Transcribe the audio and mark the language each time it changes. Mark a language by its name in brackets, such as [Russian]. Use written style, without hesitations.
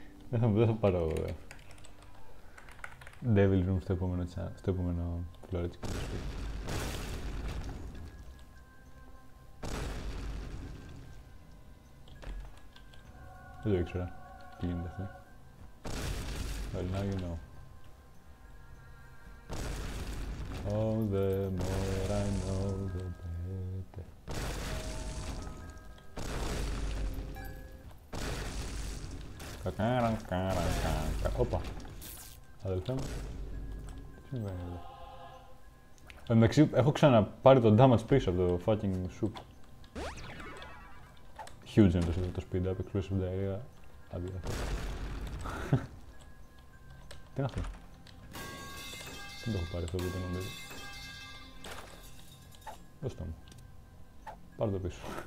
[Greek] Δεν θα πάρω Devil Room στο επόμενο φιλόρετσι. Δεν το ήξερα τι γίνεται αυτό. [English] Well, now you know. Oh, the more I know, the better. [Greek] Κακάραν, κακάραν, κακάραν. Όπα. Αδελφέ μου. Τι συμβαίνει εδώ. Εντάξει, έχω ξαναπάρει τον damage πίσω από το fucking soup. Huge είναι το speed up, exclusive diarrhea, αδιάφορο. Τι είναι αυτό. Δεν το έχω πάρει αυτό που ήταν νομίζω. Δώσ' το μου. Πάρ' το πίσω.